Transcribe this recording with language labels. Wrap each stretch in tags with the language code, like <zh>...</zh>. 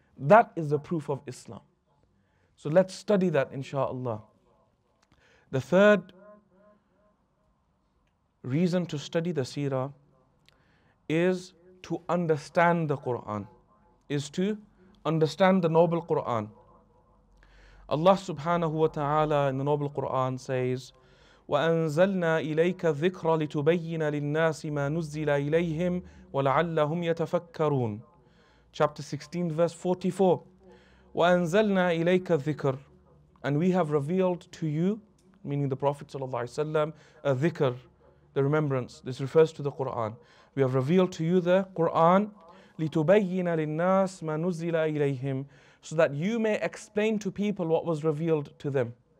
<en>That is the proof of Islam. So let's study that inshaAllah. The third reason to study the seerah is to understand the Qur'an, is to understand the noble Qur'an. Allah subhanahu wa ta'ala in the noble Qur'an says,</en> <ar>وَأَنزَلْنَا إِلَيْكَ الذِّكْرَ لِتُبَيِّنَ لِلنَّاسِ مَا نُزِّلَ إِلَيْهِمْ وَلَعَلَّهُمْ يَتَفَكَّرُونَ.</ar> <en>Chapter 16, verse 44.</en> <ar>وَأَنزَلْنَا إِلَيْكَ الذِّكْرَ.</ar> <en>And we have revealed to you, meaning the Prophet sallallahu alaihi wasallam, a dhikr, the remembrance. This refers to the Quran. We have revealed to you the Quran,</en> <ar>لِتُبَيِّنَ لِلنَّاسِ مَا نُزِّلَ إِلَيْهِمْ,</ar> <en>so that you may explain to people what was revealed to them.</en>